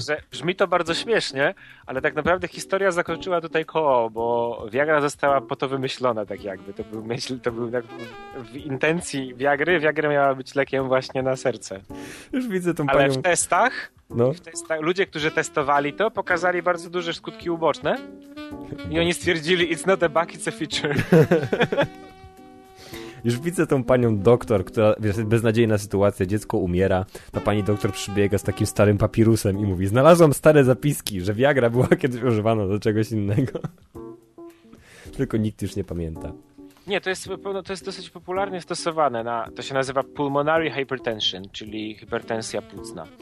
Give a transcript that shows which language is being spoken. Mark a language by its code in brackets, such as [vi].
[pl] Że brzmi to bardzo śmiesznie, ale tak naprawdę historia zakończyła tutaj koło, bo Viagra została po to wymyślona tak jakby. To był w intencji Viagry. Viagra miała być lekiem właśnie na serce. Już widzę tą ale panią. Ale w testach ludzie, którzy testowali to, pokazali bardzo duże skutki uboczne. I oni stwierdzili, [en] it's not a bug, it's a feature. [pl] Już widzę tą panią doktor, która jest beznadziejna sytuacja, dziecko umiera, ta pani doktor przybiega z takim starym papirusem i mówi, znalazłam stare zapiski, że Viagra była kiedyś używana do czegoś innego. Tylko nikt już nie pamięta. Nie, to jest dosyć popularnie stosowane. To się nazywa pulmonary hypertension, czyli hipertensja płucna.